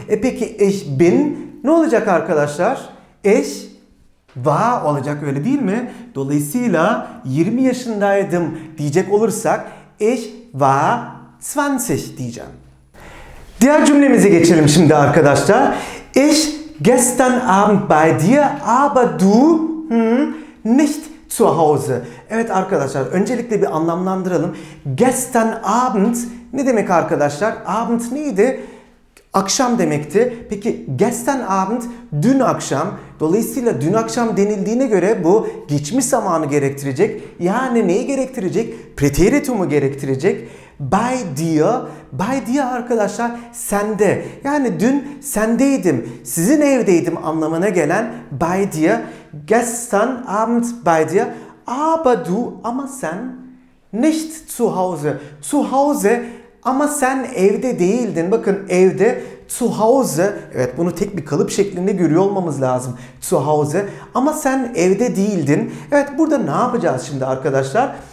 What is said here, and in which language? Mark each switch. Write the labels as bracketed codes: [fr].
[tr] E peki [de] ich bin [tr] ne olacak arkadaşlar? [de] Ich war [tr] olacak, öyle değil mi? Dolayısıyla 20 yaşındaydım diyecek olursak [de] ich war 20 [tr] diyeceğim. Diğer cümlemize geçelim şimdi arkadaşlar. [de] Ich gestern Abend bei dir, aber du nicht zu Hause. [tr] Evet arkadaşlar, öncelikle bir anlamlandıralım. [de] Gestern Abend [tr] ne demek arkadaşlar? Abend neydi? Akşam demekti. Peki [de] gestern Abend [tr] dün akşam. Dolayısıyla dün akşam denildiğine göre bu geçmiş zamanı gerektirecek. Yani neyi gerektirecek? Präteritumu gerektirecek. [de] Bei dir. Bei dir [tr] arkadaşlar sende. Yani dün sendeydim, sizin evdeydim anlamına gelen [de] bei dir. Gestern Abend bei dir. Aber du, [tr] ama sen [de] nicht zu Hause. Zu Hause, [tr] ama sen evde değildin. Bakın evde, [de] zu Hause. [tr] Evet, bunu tek bir kalıp şeklinde görüyor olmamız lazım. [de] Zu Hause. [tr] Ama sen evde değildin. Evet, burada ne yapacağız şimdi arkadaşlar?